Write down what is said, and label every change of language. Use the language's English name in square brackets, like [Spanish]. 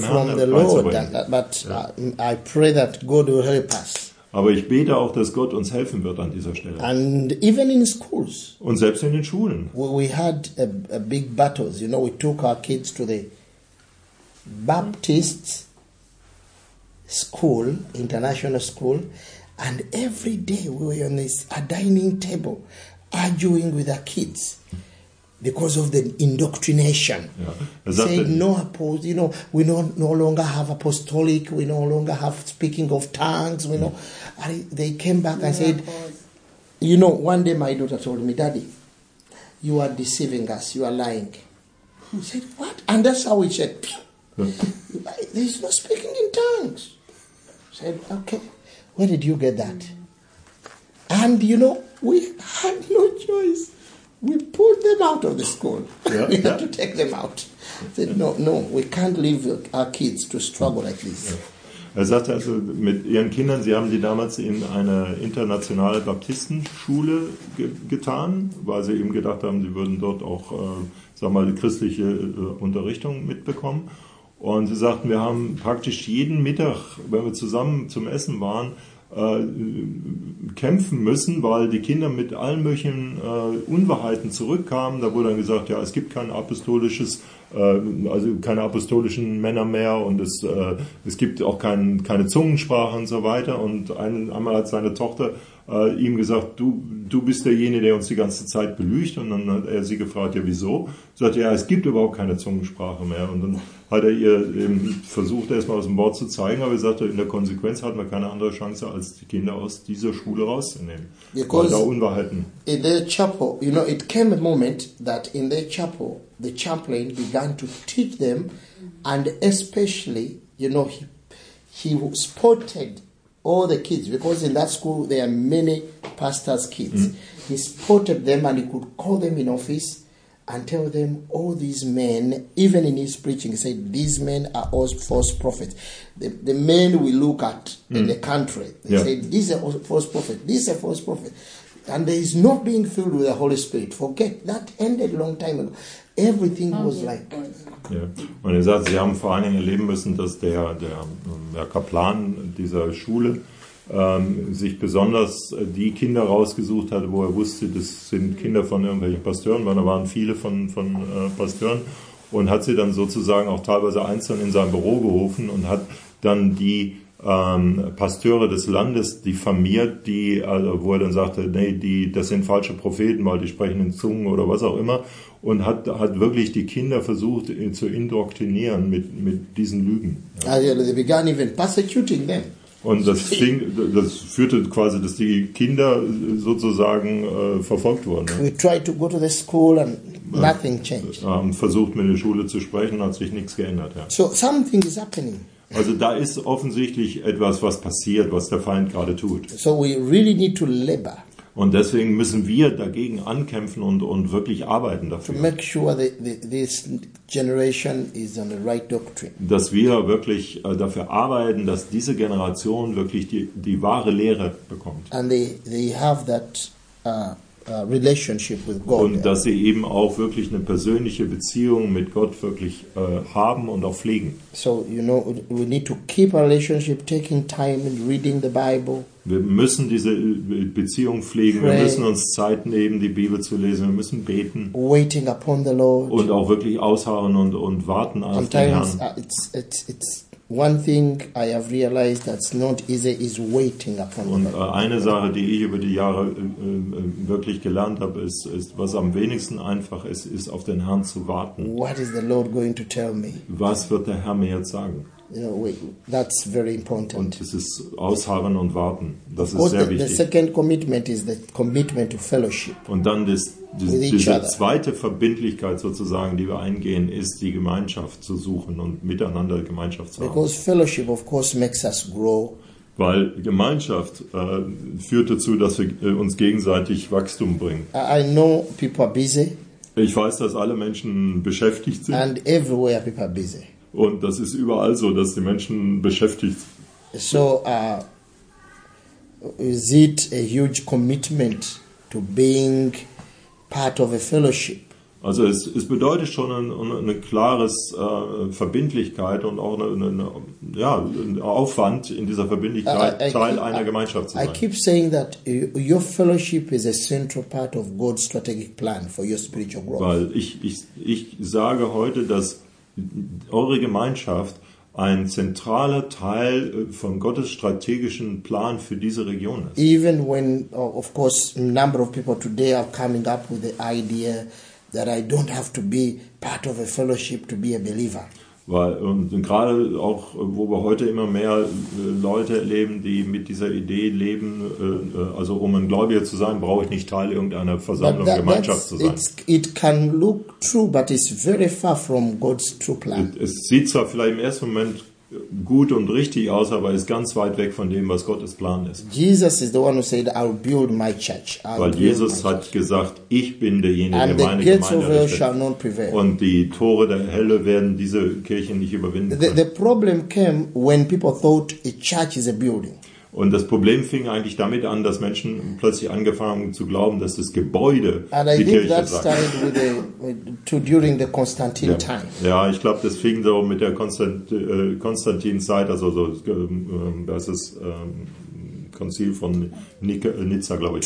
[English] From [German] Herrn [English] the Lord, but I pray that God will help us. [German] Aber ich bete auch, dass Gott uns helfen wird an dieser Stelle. [English] And even in schools. [German] Und selbst in den Schulen. [English] We had a big battles. You know, we took our kids to the Baptist school, international school, and every day we were on this a dining table, arguing with our kids. Because of the indoctrination. [German] Ja. [English] Saying no apostles, you know, we no longer have apostolic, we no longer have speaking of tongues, we know. They came back and said, you know, one day my daughter told me, Daddy, you are deceiving us, you are lying. He said, what? And that's how we said, there's no speaking in tongues. I said, okay, where did you get that? And you know, we had no choice. We pulled them out of the school. Yeah, we had to take them out. Said, no, we can't leave our kids to struggle like this. [German] Er sagte also, mit ihren Kindern, sie haben die damals in eine internationale Baptistenschule getan, weil sie eben gedacht haben, sie würden dort auch, sag mal, die christliche Unterrichtung mitbekommen. Und sie sagten, wir haben praktisch jeden Mittag, wenn wir zusammen zum Essen waren, kämpfen müssen, weil die Kinder mit allen möglichen Unwahrheiten zurückkamen. Da wurde dann gesagt, ja, es gibt kein apostolisches, also keine apostolischen Männer mehr und es gibt auch keine Zungensprache und so weiter. Und einmal hat seine Tochter ihm gesagt, du bist derjenige, der uns die ganze Zeit belügt. Und dann hat er sie gefragt, ja, wieso? Sie sagte, ja, es gibt überhaupt keine Zungensprache mehr. Und dann hat er ihr eben versucht, erstmal aus dem Wort zu zeigen, aber er sagte, in der Konsequenz hat man keine andere Chance, als die Kinder aus dieser Schule rauszunehmen. [English] Because [German] weil da Unwahrheiten. [English] In the chapel, you know, it came a moment that in the chapel, the chaplain began to teach them and especially, you know, he spotted all the kids, because in that school there are many pastors' kids. He spotted them and he could call them in office and tell them, all these men, even in his preaching, he said, these men are all false prophets. The men we look at in the country, they said, these are false prophets, these are false prophets. And there is not being filled with the Holy Spirit. Forget, that ended a long time ago. Everything was like... [German] Ja. Und er sagt, sie haben vor allen Dingen erleben müssen, dass der Kaplan dieser Schule sich besonders die Kinder rausgesucht hat, wo er wusste, das sind Kinder von irgendwelchen Pasteuren, weil da waren viele von Pasteuren, und hat sie dann sozusagen auch teilweise einzeln in sein Büro gerufen und hat dann die Pasteure des Landes diffamiert, die, also wo er dann sagte, nee, das sind falsche Propheten, weil die sprechen in Zungen oder was auch immer, und hat wirklich die Kinder versucht zu indoktrinieren mit diesen Lügen. Ja. [English] Also, they began even persecuting them. [German] Und das führte quasi, dass die Kinder sozusagen verfolgt wurden. [English] We tried to go to the school and nothing changed. [German] Haben versucht, mit der Schule zu sprechen, hat sich nichts geändert. Ja. [English] So something is happening. [German] Also da ist offensichtlich etwas, was passiert, was der Feind gerade tut. [English] So we really need to labor. [German] Und deswegen müssen wir dagegen ankämpfen und wirklich arbeiten dafür. [English] To make sure this generation is on the right doctrine. [German] Dass wir wirklich dafür arbeiten, dass diese Generation wirklich die wahre Lehre bekommt. [English] And they have that relationship with God. [German] Und dass sie eben auch wirklich eine persönliche Beziehung mit Gott wirklich haben und auch pflegen. [English] So, you know, we need to keep a relationship, taking time and reading the Bible. [German] Wir müssen diese Beziehung pflegen. [English] Pray. [German] Wir müssen uns Zeit nehmen, die Bibel zu lesen. Wir müssen beten. [English] Waiting upon the Lord. [German] Und auch wirklich ausharren und warten auf [English] Sometimes [German] den Herrn. [English] It's one thing I have realized that's not easy is waiting upon [German] God. Und eine Sache, die ich über die Jahre wirklich gelernt habe, ist, was am wenigsten einfach ist, ist auf den Herrn zu warten. [English] What is the Lord going to tell me? [German] Was wird der Herr mir jetzt sagen? [English] You know, that's very important. [German] Und es ist ausharren und warten. Das ist sehr wichtig. [English] The second commitment is the commitment to fellowship. [German] Und dann diese zweite Verbindlichkeit sozusagen, die wir eingehen, ist die Gemeinschaft zu suchen und miteinander Gemeinschaft zu haben. [English] Because fellowship of course makes us grow. [German] Weil Gemeinschaft führt dazu, dass wir uns gegenseitig Wachstum bringen. [English] I know people are busy. [German] Ich weiß, dass alle Menschen beschäftigt sind. [English] And everywhere people are busy. [German] Und das ist überall so, dass die Menschen beschäftigt sind. [English] So, is it a huge commitment to being part of a fellowship? [German] Also es bedeutet schon eine klares Verbindlichkeit und auch einen Aufwand in dieser Verbindlichkeit, Teil einer Gemeinschaft zu sein. [English] I keep saying that your fellowship is a central part of God's strategic plan for your spiritual growth. [German] Weil ich sage heute, dass eure Gemeinschaft ein zentraler Teil von Gottes strategischen Plan für diese Region ist. [English] Even when, of course, a number of people today are coming up with the idea that I don't have to be part of a fellowship to be a believer. [German] Weil gerade auch, wo wir heute immer mehr Leute erleben, die mit dieser Idee leben, also um ein Gläubiger zu sein, brauche ich nicht Teil irgendeiner Versammlung, Gemeinschaft zu sein. [English] It can look true, but it's very far from God's true plan. [German] Es sieht zwar vielleicht im ersten Moment gut und richtig aus, aber ist ganz weit weg von dem, was Gottes Plan ist. [English] Jesus is the one who said, "I'll build my church." [German] Weil Jesus hat gesagt, ich bin derjenige, der meine Gemeinde errichtet. Und die Tore der Hölle werden diese Kirche nicht überwinden können. [English] The problem came when people thought a church is a building. [German] Und das Problem fing eigentlich damit an, dass Menschen plötzlich angefangen zu glauben, dass das Gebäude die Kirche sei. [English] And I think that started during the Constantine time. [German] Ja, ich glaube, das fing so mit der Konstantin-Zeit, also so das ist Konzil von Nizza, glaube ich.